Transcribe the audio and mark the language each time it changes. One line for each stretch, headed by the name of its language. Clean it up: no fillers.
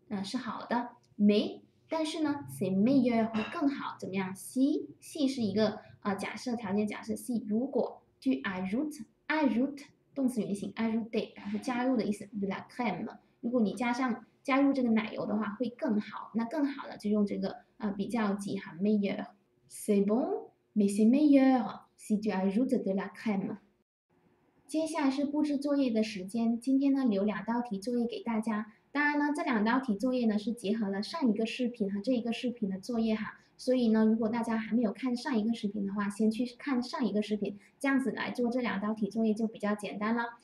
Chinese: 是好的，mais 但是呢
French: c'est meilleur
Chinese: 会更好，怎么样？si 是一个假设条件，假设 si 如果
French: tu ajoutes
Chinese: ajoute 动词原形 ajouter 表示加入的意思，
French: de la crème。
Chinese: 如果你加入这个奶油的话，会更好。那更好的就用这个比较级哈，meilleur。
French: C'est bon, mais c'est meilleur si tu ajoutes de la crème。
Chinese: 接下来是布置作业的时间，今天呢留两道题作业给大家。当然呢，这两道题作业呢是结合了上一个视频和这一个视频的作业哈。所以呢，如果大家还没有看上一个视频的话，先去看上一个视频，这样子来做这两道题作业就比较简单了。